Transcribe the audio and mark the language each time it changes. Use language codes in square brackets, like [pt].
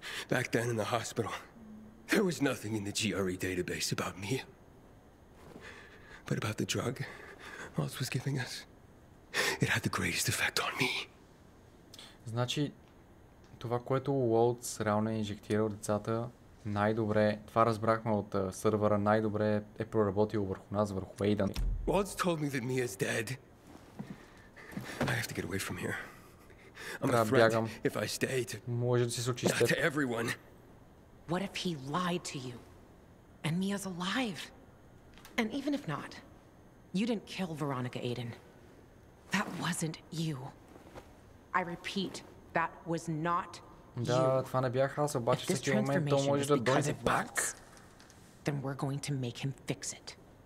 [en] Back then in the hospital, there was nothing in the GRE database about me. But about the drug Waltz was giving us, it had the greatest effect on me. [bg] Значи, това, което Waltz реално е инжектирал децата, най-добре, това разбрахме от сървъра, най-добре е проработил върху нас, върху Aiden. [en] Waltz told me that Mia is dead. I have to get away from here. I'm a threat if I stay to... Not to everyone. What if he lied to you? And Mia's alive. And even if not, you didn't kill Veronica, Aiden. That wasn't you. I repeat, that was not you. [bg] Да, това не бях аз, обаче в този момент то може да дойде пак. [en] Then we're going to make him fix it.